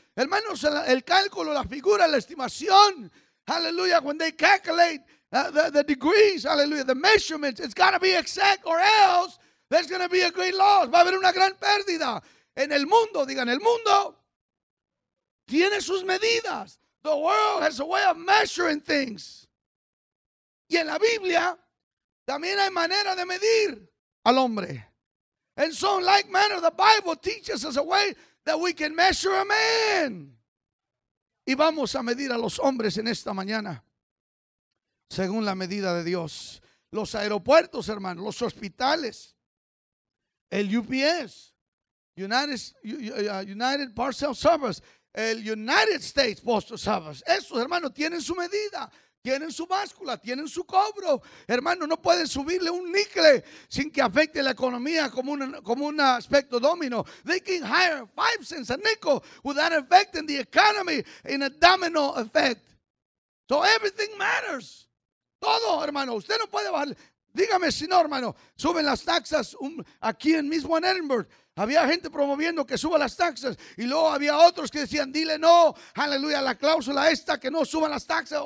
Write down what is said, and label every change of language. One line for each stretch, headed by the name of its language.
Spanish: Hermanos, el cálculo, la figura, la estimación,
English: aleluya, when they calculate the degrees, aleluya, the measurements, it's got to be exact or else. There's going to be a great loss.
Spanish: Va a haber una gran pérdida. En el mundo, digan, el mundo tiene sus medidas.
English: The world has a way of measuring things.
Spanish: Y en la Biblia también hay manera de medir al hombre.
English: And so in like manner, the Bible teaches us a way that we can measure a man.
Spanish: Y vamos a medir a los hombres en esta mañana. Según la medida de Dios. Los aeropuertos, hermanos, los hospitales. El UPS, United Parcel Service, el United States Postal Service. Esos, hermanos, tienen su medida, tienen su báscula, tienen su cobro. Hermano, no pueden subirle un nickel sin que afecte la economía como un aspecto domino.
English: They can hire 5 cents a nickel without affecting the economy in a domino effect. So everything matters.
Spanish: Todo, hermano, usted no puede bajarle. Dígame si no, hermano, suben las taxas aquí en mismo en Edinburgh. Había gente promoviendo que suba las taxas y luego había otros que decían, dile no, aleluya, la cláusula esta que no suban las taxas.